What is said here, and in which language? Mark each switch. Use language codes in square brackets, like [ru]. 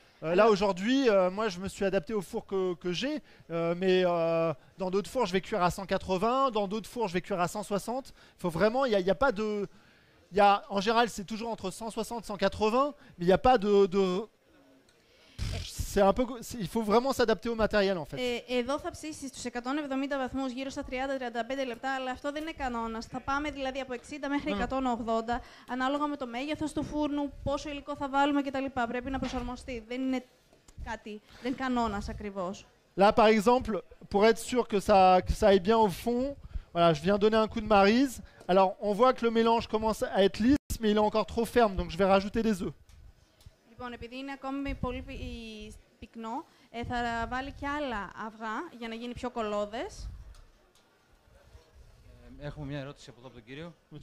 [fr] Là, aujourd'hui, moi, je me suis adapté au four que j'ai, mais dans d'autres fours, je vais cuire à 180, dans d'autres fours, je vais cuire à 160. Il faut vraiment... En général, c'est toujours entre 160 et 180, mais il n'y a pas de... c'est un peu, c'est, il faut vraiment s'adapter au matériel en fait. [el] Εδώ θα ψήσεις στους 170 βαθμούς γύρω στα 30-35 λεπτά, αλλά αυτό δεν είναι κανόνας. Θα πάμε δηλαδή από 60 μέχρι 180, ανάλογα με το μέγεθος του φούρνου, πόσο υλικό θα βάλουμε κτλ. Πρέπει να προσαρμοστεί. Δεν είναι κάτι, δεν είναι κανόνας ακριβώς. [fr] Là par exemple, pour être sûr que ça aille bien au fond, voilà, je viens donner un coup de marise. Alors, on voit que le mélange commence à être lisse, mais il est encore trop ferme, donc je vais rajouter des œufs. [el] Λοιπόν, επειδή είναι ακόμη πολύ πυκνό, θα βάλει και άλλα αυγά για να γίνει πιο κολλώδες. Έχουμε μια ερώτηση από εδώ από τον κύριο.